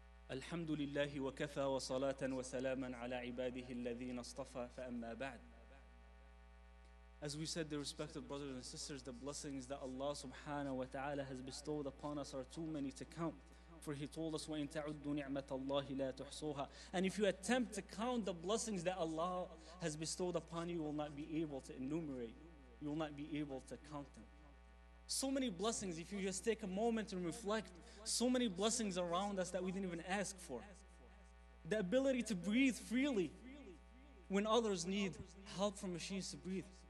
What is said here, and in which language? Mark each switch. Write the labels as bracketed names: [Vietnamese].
[Arabic] الحمد لله وكفى وصلاة وسلاما على عباده الذين اصطفى فأما بعد. [English] As we said, the respected brothers and sisters, the blessings that Allah subhanahu wa ta'ala has bestowed upon us are too many to count. For he told us, [Arabic] وَإِن تَعُدُّ نِعْمَةَ اللَّهِ لَا تُحْصُوهَا. [English] And if you attempt to count the blessings that Allah has bestowed upon you, you will not be able to enumerate. You will not be able to count them. So many blessings, if you just take a moment and reflect, so many blessings around us that we didn't even ask for. The ability to breathe freely when others need help from machines to breathe.